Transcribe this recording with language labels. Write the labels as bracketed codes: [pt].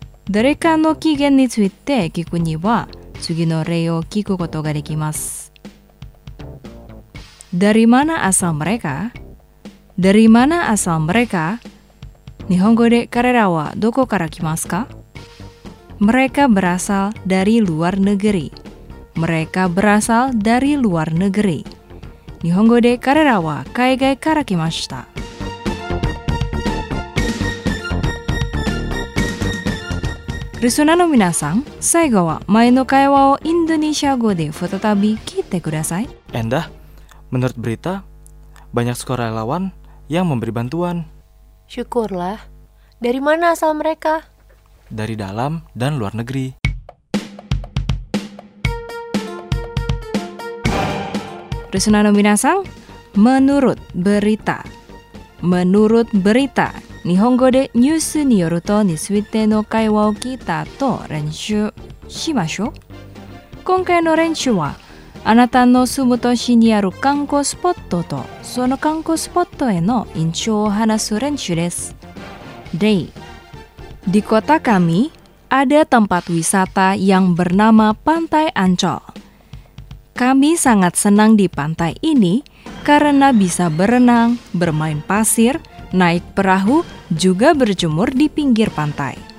[ja] 誰かの起源について聞くには次の例を聞くことができます。 [id] Dari mana asal mereka? Dari mana asal mereka? [ja] 日本語で彼らはどこから来ますか? [id] Mereka berasal dari luar negeri. Mereka berasal dari luar negeri. [ja] 日本語で彼らは海外から来ました。リスナーの皆さん、最後は前の会話をインドネシア語で再び聞いてください。 [id] エンダ、menurut berita、banyak sukarelawan yang memberi bantuan。 Syukurlah。 Dari mana asal mereka? Dari dalam dan luar negeri。 [ja] リスナーの皆さん、 [id] menurut berita、menurut berita。 [ja] 日本語でニュースによるとについての会話を聞いた後、練習しましょう。今回の練習は、あなたの住む都市にある観光スポットと、その観光スポットへの印象を話す練習です。例、 [id] Di kota kami, ada tempat wisata yang bernama Pantai Ancol. Kami sangat senang di pantai ini karena bisa berenang, bermain pasir, naik perahu, juga berjemur di pinggir pantai.